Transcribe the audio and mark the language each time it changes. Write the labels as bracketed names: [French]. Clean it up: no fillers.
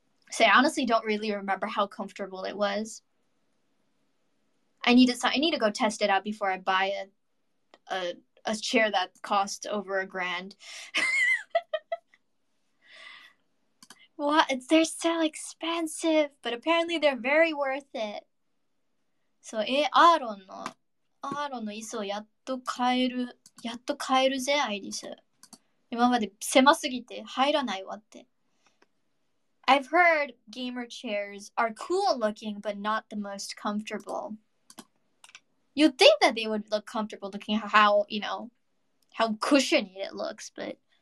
[English] So I honestly don't really remember how comfortable it was. I need to go test it out before I buy a chair that costs over $1,000. What? They're so expensive, but apparently they're very worth it. [Japanese] So, アーロンの椅子をやっと買えるぜ、アイリス。今まで狭すぎて入らないわって。 [English] I've heard gamer chairs are cool looking, but not the most comfortable. You'd think that they would look comfortable looking how, you know, how cushiony it looks, but...